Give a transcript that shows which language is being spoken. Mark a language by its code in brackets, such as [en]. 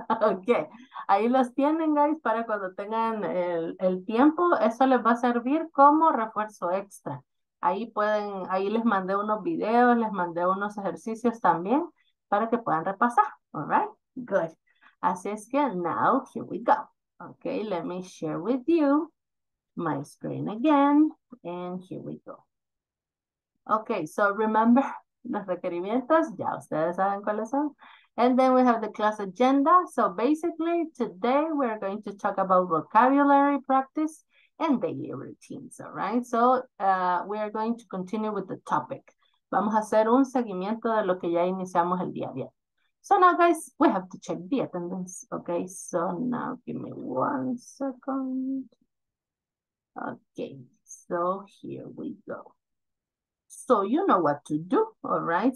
[es] Ok, ahí los tienen, guys, para cuando tengan el tiempo. Eso les va a servir como refuerzo extra. Ahí les mandé unos videos, les mandé unos ejercicios también para que puedan repasar. [en] All right, good. [es] Así es que [en] now here we go. Ok, let me share with you my screen again. And here we go. Ok, so remember, [es] Los requerimientos, ya ustedes saben cuáles son. [en] And then we have the class agenda. So basically, today we're going to talk about vocabulary practice and daily routines, all right? So we are going to continue with the topic. [es] Vamos a hacer un seguimiento de lo que ya iniciamos el día a día. [en] So now, guys, we have to check the attendance, okay? So now, give me 1 second. Okay, so here we go. So you know what to do, all right?